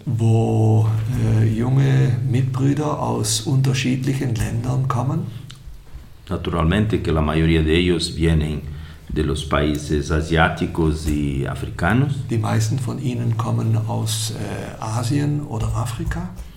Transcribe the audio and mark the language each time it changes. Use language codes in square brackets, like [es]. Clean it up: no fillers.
[de] wo junge Mitbrüder aus unterschiedlichen Ländern kommen. [es] Naturalmente que la mayoría de ellos vienen de los países asiáticos y africanos. [de] Die meisten von ihnen kommen aus Asien oder Afrika.